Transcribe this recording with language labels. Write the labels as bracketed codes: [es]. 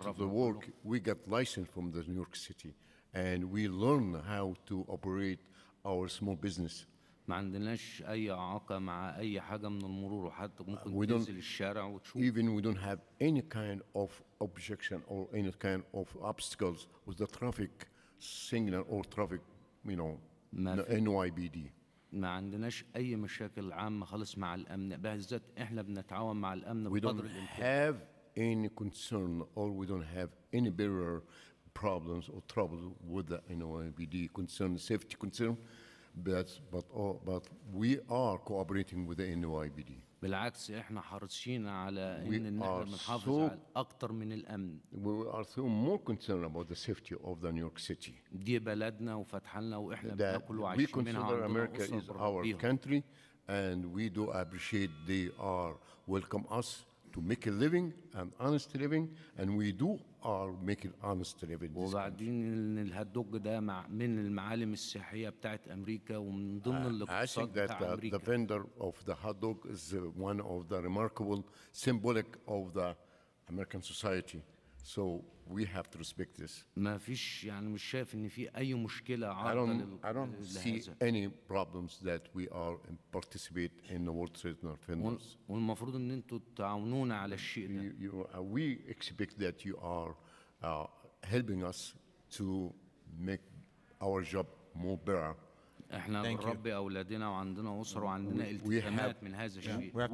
[en] to the work, we get license from the New York City, and we learn how to operate our small business. [ar] ما عندناش أي إعاقة مع أي حاجة من المرور وحتى ممكن تنزل الشارع وتشوف. [en] Even we don't have any kind of objection or any kind of obstacles with the traffic signal or traffic, you know, the NYPD. [ar] ما عندناش أي مشاكل عامة خالص مع الأمن بالذات إحنا بنتعاون مع الأمن بقدر الإمكان. [en] We don't have any concern or we don't have any barrier problems or trouble with the NYPD concern, safety concern. But we are cooperating with the NYPD. [ar] بالعكس احنا حريصين على ان احنا بنحافظ على اكتر من الامن. [en] We are so more concerned about the safety of the New York City. [ar] دي بلدنا وفتحنا واحنا بناكل وعايشين منها. [en] We consider America is our country and we do appreciate they are welcome us to make a living an honest living and we do are making honest living. [ar] وبعدين الهدوج ده من المعالم السياحيه بتاعت امريكا ومن ضمن الاقتصاد بتاع امريكا. [en] The vendor of the hot dog is one of the remarkable symbolic of the American society. So we have to respect this. [ar] ما فيش يعني مش شايف ان في اي مشكله عارضه [en] لل I don't see any problems that we are in participate in the World Trade Center vendors. [ar] والمفروض ان انتوا تعاونونا على الشيء ده. [en] We expect that you are helping us to make our job more better. [ar] احنا بنربي اولادنا وعندنا اسره وعندنا التزامات من هذا الشيء.